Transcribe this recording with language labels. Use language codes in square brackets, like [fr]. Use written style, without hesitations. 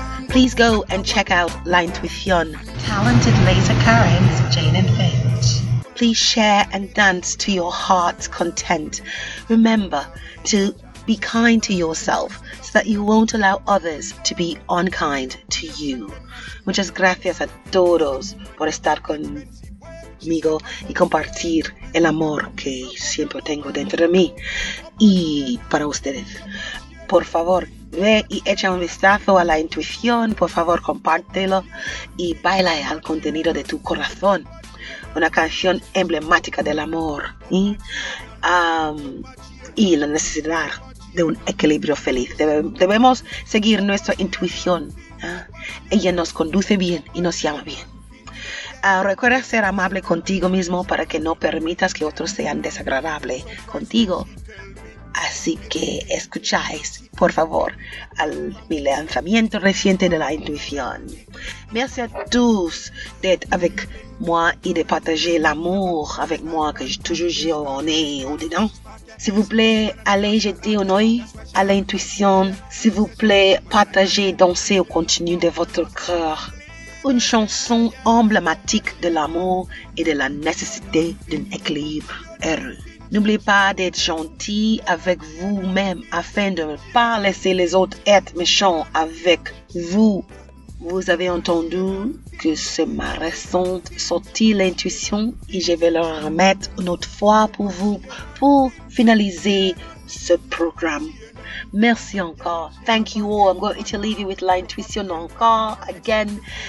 [en] Please go and check out INTUICIÓN, talented laser Karens Jane and Finch. Please share and dance to your heart's content. Remember to be kind to yourself so that you won't allow others to be unkind to you. [es] Muchas gracias a todos por estar con amigo y compartir el amor que siempre tengo dentro de mí y para ustedes. Por favor, ve y echa un vistazo a INTUICIÓN, por favor, compártelo y baila al contenido de tu corazón, una canción emblemática del amor y la necesidad de un equilibrio feliz. Debemos seguir nuestra intuición, ¿eh? Ella nos conduce bien y nos llama bien. Recuerda ser amable contigo mismo para que no permitas que otros sean desagradables contigo. Así que escucháis, por favor, al mi lanzamiento reciente de INTUICIÓN. [fr] Merci à tous d'être avec moi y de partager l'amour avec moi que j'ai toujours gironné au-dedans. S'il vous plaît, allez jeter un oeil à l'INTUICIÓN. S'il vous plaît, partagez, dansez au contenu de votre cœur. Une chanson emblématique de l'amour et de la nécessité d'un équilibre heureux. N'oubliez pas d'être gentil avec vous-même afin de ne pas laisser les autres être méchants avec vous. Vous avez entendu que c'est ma récente sortie l'INTUICIÓN et je vais le remettre une autre fois pour vous pour finaliser ce programme. Merci encore. [en] Thank you all. I'm going to leave you with INTUICIÓN encore again.